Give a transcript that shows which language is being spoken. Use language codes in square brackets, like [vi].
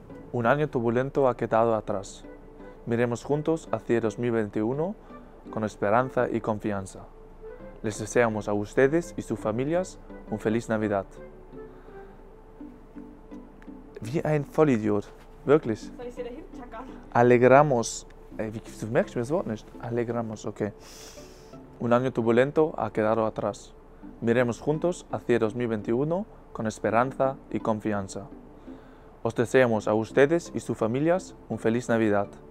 [es] Un año turbulento ha quedado atrás. Miremos juntos hacia 2021 con esperanza y confianza. Les deseamos a ustedes y sus familias un feliz Navidad. [de] Wie ein Vollidiot. Wirklich. Soll ich dir da hinten tackern? [es] Alegramos. [de] Wie merkst du mir das Wort nicht? [es] Alegramos, okay. Un año turbulento ha quedado atrás. Miremos juntos hacia 2021 con esperanza y confianza. Os deseamos a ustedes y sus familias un feliz Navidad.